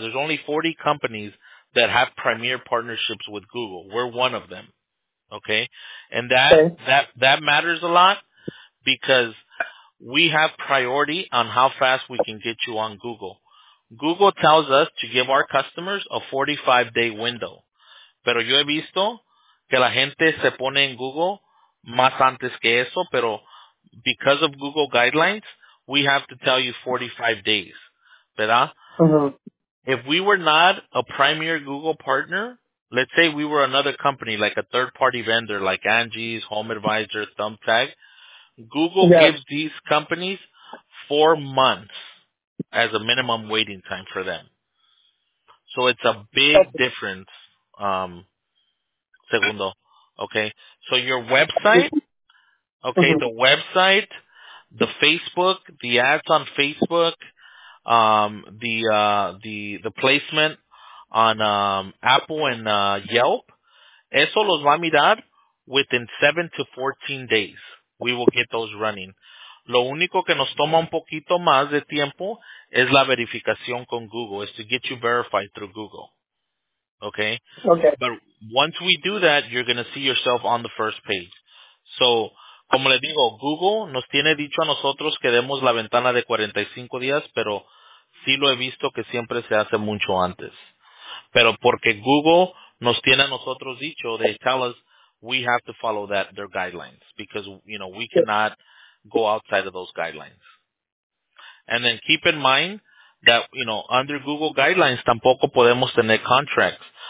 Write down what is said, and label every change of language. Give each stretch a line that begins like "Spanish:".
English: There's only 40 companies that have premier partnerships with Google. We're one of them, okay? And that matters a lot because we have priority on how fast we can get you on Google. Google tells us to give our customers a 45-day window.
Spanish: Pero yo he visto que la gente se pone en Google más antes que eso, pero
English: because of Google guidelines, we have to tell you 45 days,
Spanish: ¿verdad? Mm-hmm.
English: If we were not a premier Google partner, let's say we were another company, like a third-party vendor, like Angie's, Home Advisor, Thumbtack, Google gives these companies 4 months as a minimum waiting time for them. So it's a big difference. Segundo, okay. So your website, okay, mm-hmm. The website, the Facebook, the ads on Facebook, the placement on Apple and Yelp,
Spanish: eso los va a mirar
English: within 7 to 14 days. We will get those running.
Spanish: Lo único que nos toma un poquito más de tiempo es la verificación con Google,
English: is to get you verified through Google. Okay. Okay. But once we do that, you're going to see yourself on the first page.
Spanish: So, como le digo, Google nos tiene dicho a nosotros que demos la ventana de 45 días, pero sí lo he visto que siempre se hace mucho antes. Pero porque Google nos tiene a nosotros dicho,
English: they tell us we have to follow that their guidelines because, you know, we cannot go outside of those guidelines. And then keep in mind that, you know, under Google guidelines,
Spanish: tampoco podemos tener
English: contracts.